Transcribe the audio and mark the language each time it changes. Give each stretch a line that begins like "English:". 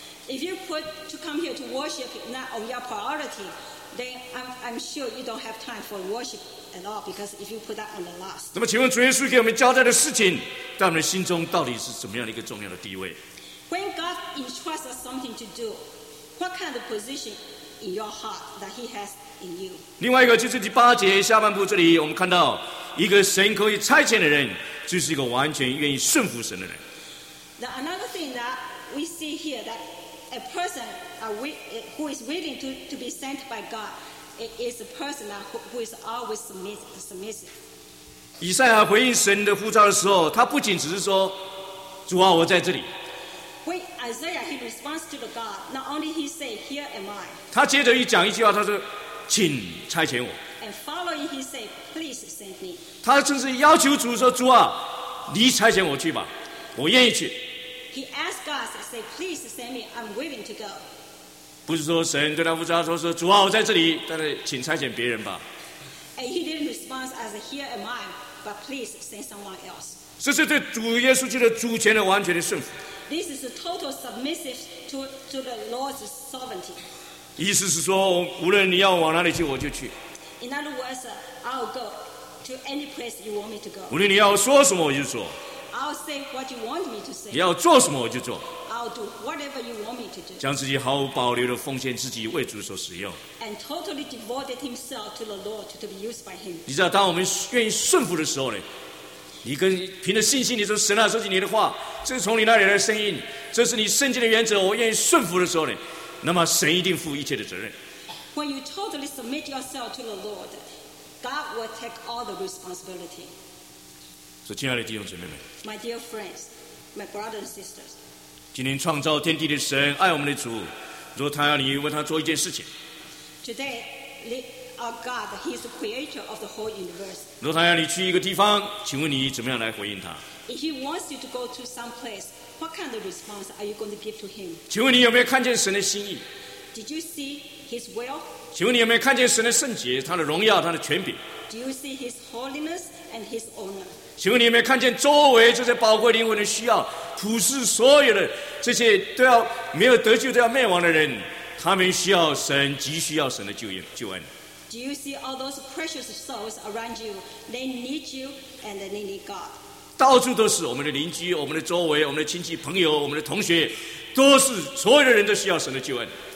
English: If you put to come here to worship not on your priority, then I'm sure you don't have time for worship at all because if you put that on the last.
Chinese: 那么请问主耶稣给我们交代的事情，在我们的心中到底是怎么样的一个重要的地位
English: ？When God entrusts us something to do, what kind of position in your heart that He has in you?
Chinese: 另外一个就是第八节下半部这里，我们看到一个神可以差遣的人，就是一个完全愿意顺服神的人。
English: The another thing that we see here that a person who is willing to be sent by God is a person who is always submissive.
Chinese: 以赛亚回应神的呼召的时候，他不仅只是说：“主啊，我在这里。”
English: When Isaiah he responds to the God, not only he say, "Here am I."
Chinese: 他接着一讲一句话，他说：“ 请差遣我。
English: And following he said, please send me.
Chinese: 他甚至要求主说，主啊，你差遣我去吧，我愿意去。
English: He asked God, say, please send me, I'm willing to go.
Chinese: 不是说神对他呼召说，主啊，我在这里，但是请差遣别人吧。
English: And he didn't respond as here am I, but please send someone else.
Chinese: 这是对主耶稣基督主权的完全的顺服。
English: This is a total submissive to the Lord's sovereignty.
Chinese: 意思是说，无论你要往哪里去，我就去。
English: In other words, I'll go to any place you want me to go.
Chinese: 无论你要说什么，我就说。
English: I'll say what you want me to say.
Chinese: 你要做什么，我就做。
English: I'll do whatever you want me to do.
Chinese: 将自己毫无保留的奉献自己为主所使用。
English: And totally devoted himself to the Lord to be used by him.
Chinese: 你知道，当我们愿意顺服的时候呢？你跟凭着信心，你说神啊，说起你的话，这是从你那里来的声音，这是你圣经的原则，我愿意顺服的时候呢，那么神一定负一切的责任。
English: When you totally submit yourself to the Lord, God will take all the responsibility.
Chinese: 所以，亲爱的弟兄姐妹们
English: ，My dear friends, my brothers and sisters,
Chinese: 今天创造天地的神，爱我们的主，如果他要你为他做一件事情
English: ，Today, our God, He is the creator of the whole universe.
Chinese: 如果他要你去一个地方，请问你怎么样来回应他
English: ？If He wants you to go to some place, what kind of response are you going to give to Him?
Chinese: 请问你有没有看见神的心意
English: ？Did you see His will?
Chinese: 请问你有没有看见神的圣洁、他的荣耀、他的权柄
English: ？Do you see His holiness and His honor?
Chinese: 请问你有没有看见周围这些宝贵灵魂的需要，普世所有的这些都要没有得救都要灭亡的人，他们需要神，急需要神的救恩。
English: Do you see all those precious souls around you? They need you and they need God.
Chinese: 到处都是我们的邻居、我们的周围、我们的亲戚、朋友、我们的同学，都是所有的人都需要神的救恩。